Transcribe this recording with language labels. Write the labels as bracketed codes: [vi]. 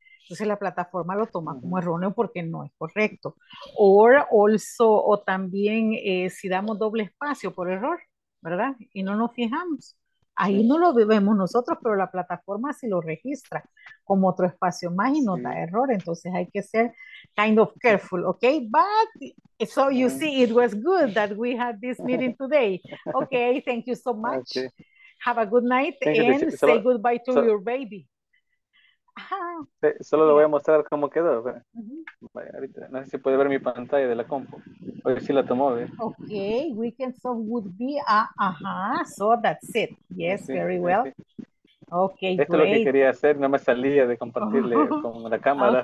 [es] Entonces la plataforma lo toma como erróneo porque no es correcto. [en] Or also, [es] o también si damos doble espacio por error, ¿verdad? Y no nos fijamos. Ahí no lo vemos nosotros, pero la plataforma sí lo registra como otro espacio más y no da error. Entonces hay que ser [en] kind of careful, [es] okay? [en] But, so you see, it was good that we had this meeting today. Okay, thank you so much. Okay. Have a good night and say goodbye to your baby. [es] Solo lo voy a mostrar cómo quedó. No sé si puede ver mi pantalla de la compu. A ver si la tomó. [en] Okay, weekend so would be so that's it. Yes, very well. Okay, [es] esto es lo que quería hacer, no me salía de compartirle con la cámara.